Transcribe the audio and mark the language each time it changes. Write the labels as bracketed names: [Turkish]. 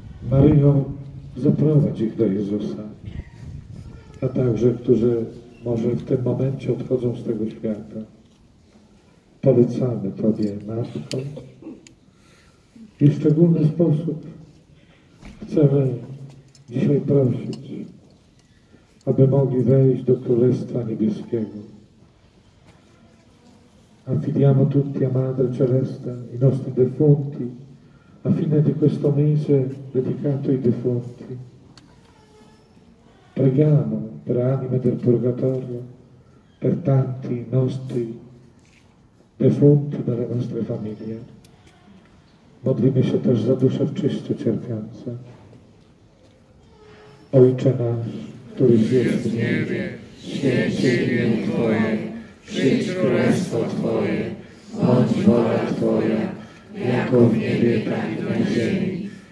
[Polish] Maryjo, zaprowadź ich do Jezusa, a także, którzy może w tym momencie odchodzą z tego świata. Polecamy Tobie, Matko, i w szczególny sposób chcemy dzisiaj prosić, aby mogli wejść do Królestwa Niebieskiego. [Italian] Affidiamo tutti a Madre Celeste i nostri defunti, a fine di questo mese dedicato ai defunti. Preghiamo per anime del purgatorio, per tanti nostri defunti dalle nostre famiglie. [Polish] Modlimy się też za dusze w czyście cierpiące. Ojcze nasz, któryś jest w niebie, święć imię Twoje, przyjdź królestwo Twoje, bądź wola Twoja, jako w niebie, tak i na ziemi.